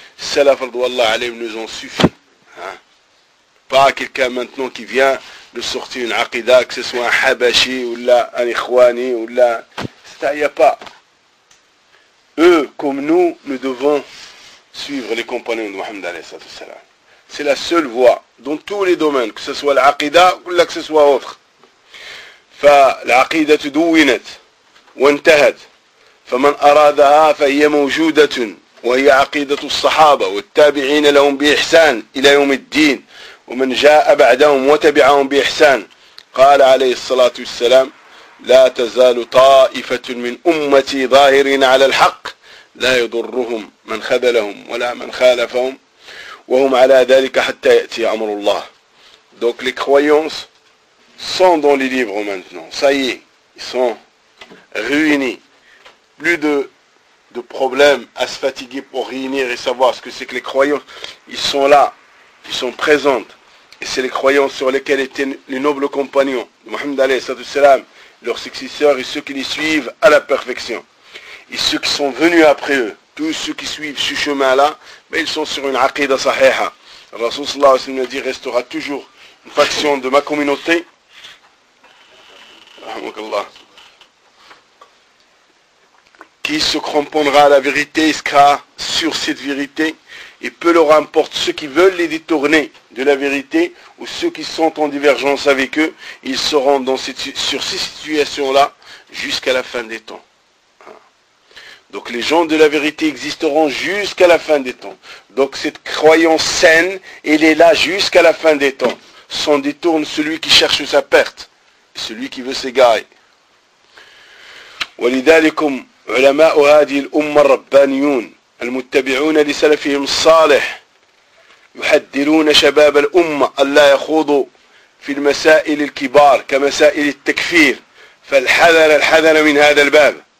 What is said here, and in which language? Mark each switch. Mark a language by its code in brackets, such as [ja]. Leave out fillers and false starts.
[fr] Salaf Allah alayhi nous ont suffi. Hein? Pas quelqu'un maintenant qui vient de sortir une aqida, que ce soit un Habashi ou là, un Ikhwani ou là. Il n'y a pas. Eux, comme nous, nous devons suivre les compagnons de Muhammad alayhi salatu salam. C'est la seule voie dans tous les domaines, que ce soit l'aqida ou là que ce soit autre. [ar] Fa l'aqida tu douinet, ou entahat. فمن أرادها فهي موجودة وهي عقيدة الصحابة والتابعين لهم بإحسان إلى يوم الدين ومن جاء بعدهم وتبعهم بإحسان قال عليه الصلاة والسلام لا تزال طائفة من أمتي ظاهرين على الحق لا يضرهم من خذلهم ولا من خالفهم وهم على ذلك حتى يأتي أمر الله [fr] donc les croyants sont dans les livres maintenant ça y est ils sont ruinés. Plus de problèmes à se fatiguer pour réunir et savoir ce que c'est que les croyants. Ils sont là, ils sont présents. Et c'est les croyants sur lesquels étaient les nobles compagnons, Mohammed Ali, Sadou Salam, leurs successeurs et ceux qui les suivent à la perfection. Et ceux qui sont venus après eux, tous ceux qui suivent ce chemin-là, ben ils sont sur une aqida sahiha. Rasoul Sallallahu Alaihi Wasallam a dit, restera toujours une faction de ma communauté. [ar] Rahmoukallah. [fr] Qui se cramponnera à la vérité, il sera sur cette vérité, et peu leur importe ceux qui veulent les détourner de la vérité, ou ceux qui sont en divergence avec eux, ils seront dans cette, sur ces situations-là jusqu'à la fin des temps. Donc les gens de la vérité existeront jusqu'à la fin des temps. Donc cette croyance saine, elle est là jusqu'à la fin des temps. S'en détourne celui qui cherche sa perte, celui qui veut s'égarer. [ar] Walidalikum. علماء هذه الأمة الربانيون المتبعون لسلفهم الصالح يحذرون شباب الأمة ألا يخوضوا في المسائل الكبار كمسائل التكفير فالحذر الحذر من هذا الباب